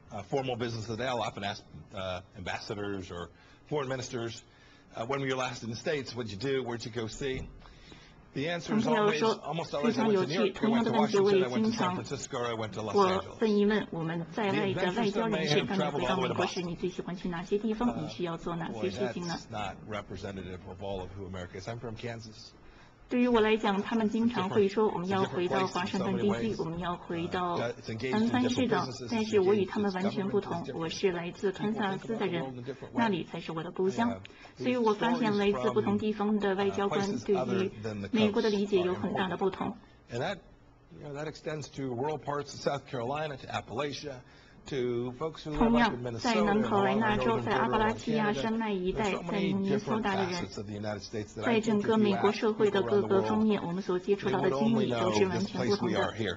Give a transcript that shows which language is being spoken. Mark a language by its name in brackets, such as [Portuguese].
[English] Formal business today, I'll often ask ambassadors or foreign ministers. When were you last in the States? What did you do? Where did you go see? The answer is always, almost always, I went to New York, I went to Washington, I went to San Francisco, I went to Los Angeles. [Chinese] 问一问我们在外的外交人士，刚才回到美国时，你最喜欢去哪些地方？你需要做哪些事情呢？ [English] That's not representative of all of who America is. I'm from Kansas. [Chinese] 对于我来讲，他们经常会说我们要回到华盛顿D.C.，我们要回到三藩市的。但是我与他们完全不同，我是来自堪萨斯的人，那里才是我的故乡。所以我发现来自不同地方的外交官对于美国的理解有很大的不同。 [English] And that, you know, that extends to rural parts of South Carolina, to Appalachia. [Chinese] 同样，在南卡罗来纳州，在阿巴拉契亚山脉一带，在明尼苏达的人，在整个美国社会的各个方面，我们所接触到的经历都是完全不同的。